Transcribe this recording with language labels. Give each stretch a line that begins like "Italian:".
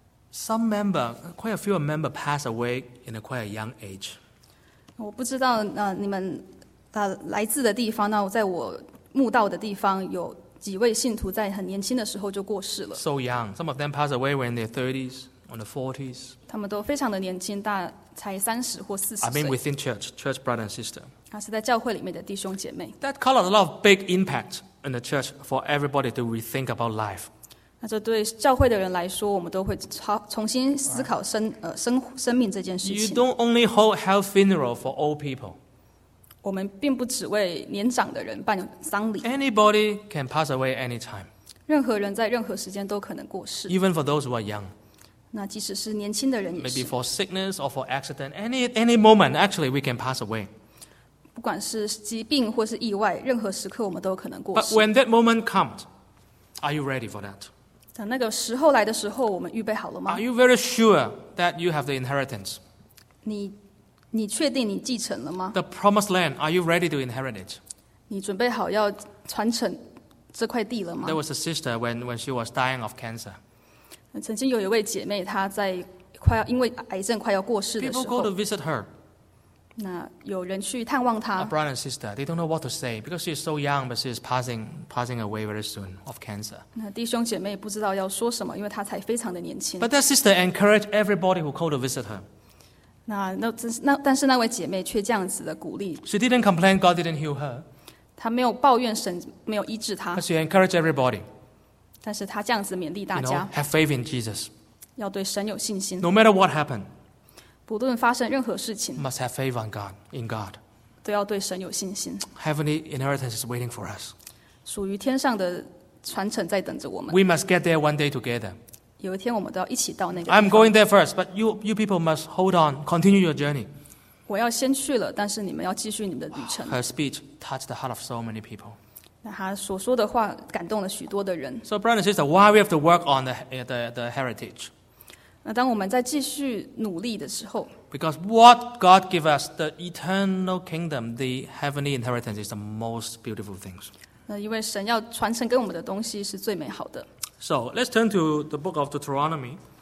English: Some member, quite a few member pass away in a quite a young age.
Chinese: 我不知道你们来自的地方，那在我慕道的地方有几位信徒在很年轻的时候就过世了。
English: So young, some of them pass away when they're 30s or the 40s.
Chinese: 他们都非常的年轻，大才三十或四十岁。
English: I mean within church brother and sister.
Chinese: 那是在教会里面的弟兄姐妹。
English: That caused a lot of big impact in the church for everybody to rethink about life.
Chinese: 那这对教会的人来说，我们都会重新思考生命这件事情。
English: You don't only hold health funeral for old people.
Chinese: 我们并不只为年长的人办丧礼。
English: Anybody can pass away anytime.
Chinese: 任何人在任何时间都可能过世。
English: Even for those who are young.
Chinese: 那即使是年轻的人也是。
English: Maybe for sickness or for accident, any moment actually we can pass away.
Chinese: 不管是疾病或是意外，任何时刻我们都可能过世。
English: But when that moment comes. Are you ready for that?
Chinese: 等那个时候来的时候，我们预备好了吗？
English: Are you very sure that you have the inheritance?
Chinese: 你确定你继承了吗？
English: The promised land, are you ready to inherit it?
Chinese: 你准备好要传承这块地了吗？
English: There was a sister when she was dying of cancer.
Chinese: 曾经有一位姐妹，她在快要因为癌症快要过世的时候。
English: People go to visit her.
Chinese: 那有人去探望她。
English: A brother and sister, they don't know what to say because she is so young, but she is passing away very soon of cancer.
Chinese: 那弟兄姐妹不知道要说什么，因为她才非常的年轻。
English: But that sister encouraged everybody who called to visit her.
Chinese: 那但是那位姐妹却这样子的鼓励。
English: She didn't complain, God didn't heal her.
Chinese: 她没有抱怨神没有医治她。
English: But she encouraged everybody.
Chinese: 但是她这样子勉励大家。
English: You know, have faith in Jesus.
Chinese: 要对神有信心。
English: No matter what happened.
Chinese: 不论发生任何事情
English: must have faith on God, in God.
Chinese: 都要对神有信心。
English: Heavenly inheritance is waiting for us.
Chinese: 属于天上的传承在等着我们。
English: We must get there one day together.
Chinese: 有一天我们都要一起到那个地
English: 方。I'm going there first, but you people must hold on, continue your journey.
Chinese: 我要先去了，但是你们要继续你们的旅程。
English: Her speech touched the heart of so many people.
Chinese: 那她所说的话感动了许多的人。
English: So, brother and sister, why we have to work on the heritage?
Chinese: 那当我们在继续努力的时候
English: ，Because what God gives us, the eternal kingdom, the heavenly inheritance, is the most beautiful things.
Chinese: 那因为神要传承给我们的东西是最美好的。
English: So let's turn to the book of Deuteronomy.